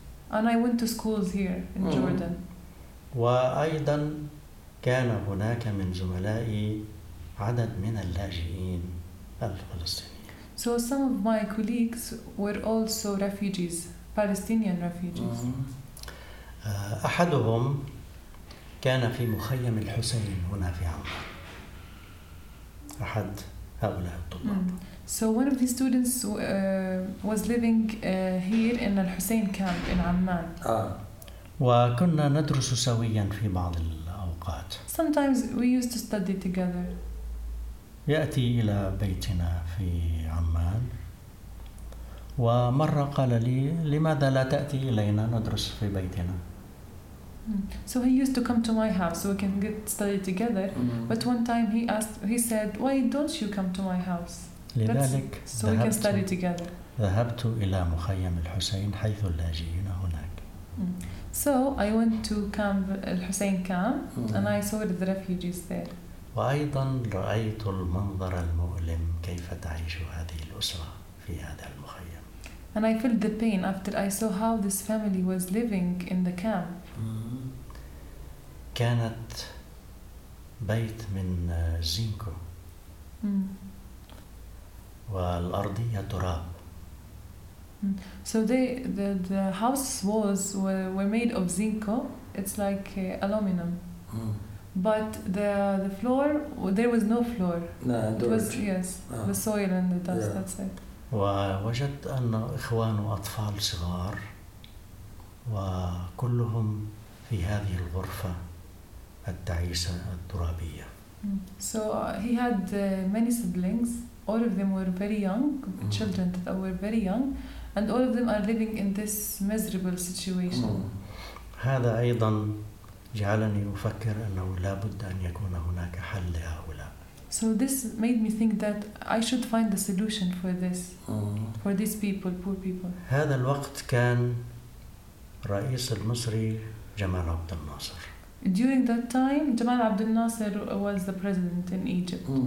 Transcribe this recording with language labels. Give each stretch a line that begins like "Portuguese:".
English: And I went to schools here in Jordan.
Arabic: وأيضا كان هناك من زملائي عدد من اللاجئين الفلسطينيين.
English: So some of my colleagues were also refugees. Palestinian refugees.
Arabic: أحدهم كان في مخيم الحسين هنا في عمان. أحد هؤلاء الطلاب.
English: So one of these students was living here in the Hussein camp in Amman.
Arabic: وكنا ندرس سويا في بعض الأوقات.
English: Sometimes we used to study together.
Arabic: يأتي إلى بيتنا في عمان. ومرة قال لي لماذا لا تأتي إلينا ندرس في بيتنا؟
English: So he used to come to my house so we can get study together. But one time he said why don't you come to my house?
Arabic: لذلك
English: so we can study together.
Arabic: ذهبت إلى مخيم الحسين حيث اللاجئين هناك.
English: So I went to camp الحسين camp and I saw the refugees there.
Arabic: وأيضا رأيت المنظر المؤلم كيف تعيش هذه الأسرة في هذا المخيم.
English: And I felt the pain after I saw how this family was living in the camp.
Arabic: كانت بيت من زينكو. والأرضية تراب.
English: So the house walls were made of zinco. It's like aluminum. But the floor, there was no floor. No, it was yes, the soil and the dust, that's it.
Arabic: ووجدت أن إخوان أطفال صغار وكلهم في هذه الغرفة التعيسة الترابية.
English: So he had many siblings. All of them were very young children that were very young, and all of them are living in this miserable situation.
Arabic: هذا أيضا جعلني أفكر أنه لا بد أن يكون هناك حل لهؤلاء.
English: So this made me think that I should find a solution for this, for these people, poor people.
Arabic: هذا الوقت كان رئيس المصري جمال عبد الناصر.
English: During that time, Jamal Abdel Nasser was the president in Egypt.